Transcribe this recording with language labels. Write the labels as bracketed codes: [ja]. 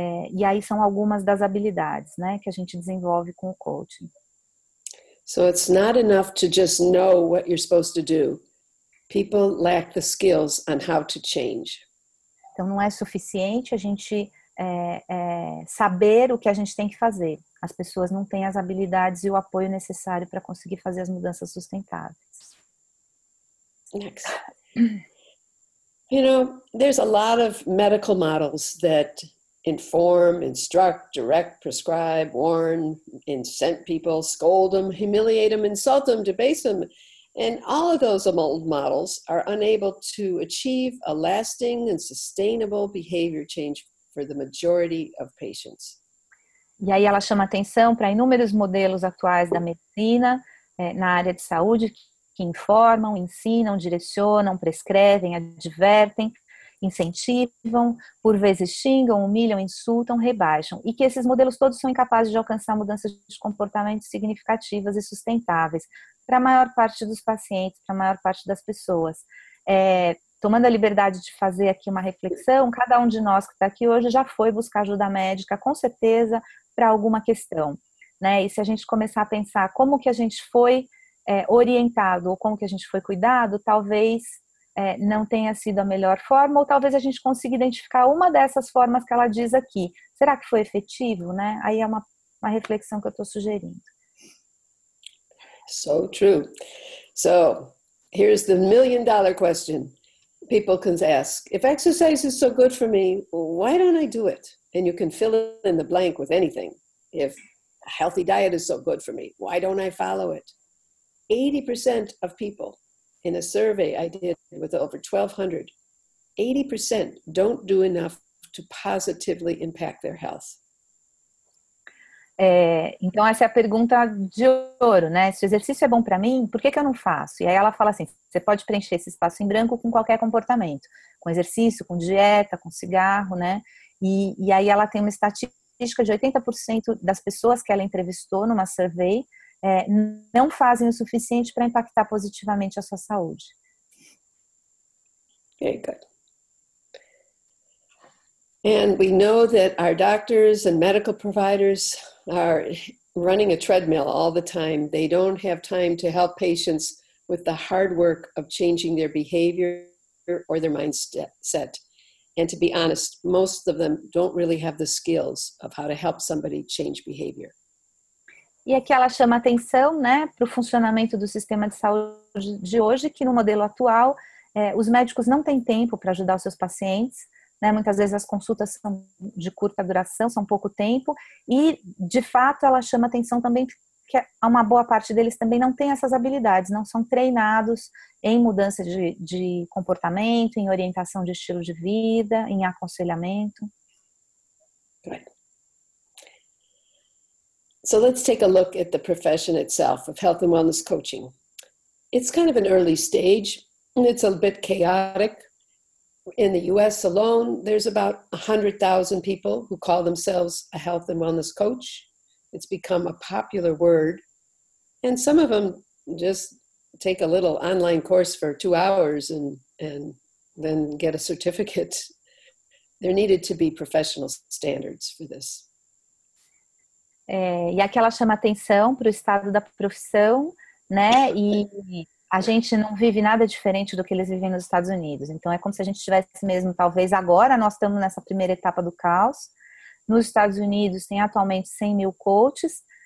[pt] E aí são algumas das habilidades, né, que a gente desenvolve com o coaching. [en] So it's not enough to just know what you're supposed to do. People lack the skills on how to change. [pt] Então não é suficiente a gente saber o que a gente tem que fazer. As pessoas não têm as habilidades e o apoio necessário para conseguir fazer as mudanças sustentáveis. [en] Next. You know, there's a lot of medical models that inform, instruct, direct, prescribe, warn, incent people, scold them, humiliate them, insult them, debase them. And all of those old models are unable to achieve a lasting and sustainable behavior change for the majority of patients. [pt] E aí ela chama atenção para inúmeros modelos atuais da medicina na área de saúde que informam, ensinam, direcionam, prescrevem, advertem, incentivam, por vezes xingam, humilham, insultam, rebaixam. E que esses modelos todos são incapazes de alcançar mudanças de comportamento significativas e sustentáveis para a maior parte dos pacientes, para a maior parte das pessoas. Tomando a liberdade de fazer aqui uma reflexão, cada um de nós que está aqui hoje já foi buscar ajuda médica, com certeza, para alguma questão, né? E se a gente começar a pensar como que a gente foi orientado ou como que a gente foi cuidado, talvez não tenha sido a melhor forma, ou talvez a gente consiga identificar uma dessas formas que ela diz aqui. Será que foi efetivo, né? Aí é uma reflexão que eu estou sugerindo. [en] So true. So, here's the million dollar question people can ask. If exercise is so good for me, why don't I do it? And you can fill in the blank with anything. If a healthy diet is so good for me, why don't I follow it? 80% of people in a survey I did with over 1,200, 80% don't do enough to positively impact their health. [pt] Então essa é a pergunta de ouro, né? Se o exercício é bom para mim, por que que eu não faço? E aí ela fala assim, você pode preencher esse espaço em branco com qualquer comportamento, com exercício, com dieta, com cigarro, né? E aí ela tem uma estatística de 80% das pessoas que ela entrevistou numa survey não fazem o suficiente para impactar positivamente a sua saúde. [en] Okay, good. And we know that our doctors and medical providers are running a treadmill all the time. They don't have time to help patients with the hard work of changing their behavior or their mindset. And to be honest, most of them don't really have the skills of how to help somebody change behavior. [pt] E aqui ela chama atenção, né, para o funcionamento do sistema de saúde de hoje, que no modelo atual, os médicos não têm tempo para ajudar os seus pacientes. Né, muitas vezes as consultas são de curta duração, são pouco tempo, e de fato ela chama atenção também que uma boa parte deles também não tem essas habilidades, não são treinados em mudança de comportamento, em orientação de estilo de vida, em aconselhamento. [en] Right. So let's take a look at the profession itself of health and wellness coaching. It's kind of an early stage, and it's a bit chaotic. In the US alone, there's about 100,000 people who call themselves a health and wellness coach. It's become a popular word. And some of them just take a little online course for 2 hours and then get a certificate. There needed to be professional standards for this. [pt] E aqui ela chama atenção para o estado da profissão, né? A gente não vive nada diferente do que eles vivem nos Estados Unidos. Então, é como se a gente tivesse mesmo, talvez agora, nós estamos nessa primeira etapa do caos. Nos Estados Unidos, tem atualmente 100 mil coaches.